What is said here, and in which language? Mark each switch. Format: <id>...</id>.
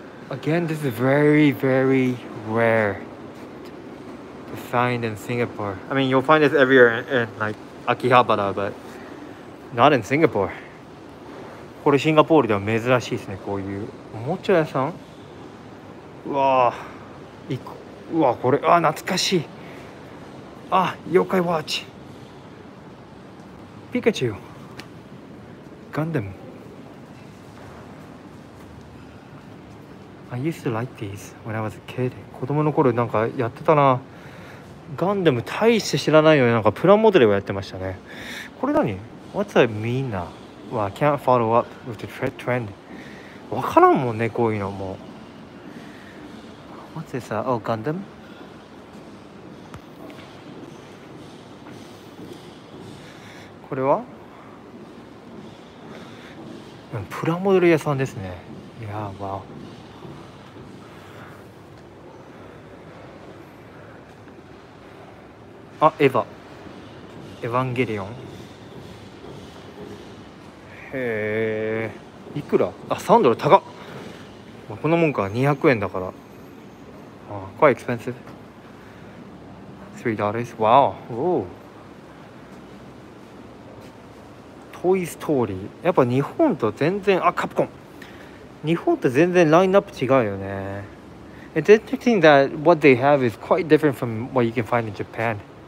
<en>Again, this is very, very rare to find in Singapore. I mean, you'll find this everywhere in like Akihabara, but not in Singapore.</en> <ja>これシンガポールでは珍しいですね。こういうおもちゃ屋さん。</ja> <en>Wow.</en> <ja>いこうわこれ、あ懐かしい。あ、妖怪ウォッチ、ピカチュウ、ガンダム。</ja> <en>I used to like these when I was a kid.</en> <ja>子供の頃なんかやってたな。ガンダム大して知らないのに、なんかプラモデルをやってましたね。これ何？</ja> <en>What's that mean now? Well, I can't follow up with the trend.</en> <ja>わからんもんね、こういうのも。</ja> <en>What's this? Oh, Gundam.</en> <ja>これは？プラモデル屋さんですね。いやー、わお。あ、エヴァ。エヴァンゲリオン。へー。いくら？あ、3ドル高っ。このもんか、200円だから。</ja> <en>Quite expensive. $3. Wow. Oh. Toy Story.</en> <ja>やっぱ日本と全然、あ、カプコン。日本と全然ラインナップ違うよね。</ja> <en>It's interesting that what they have is quite different from what you can find in Japan.</en>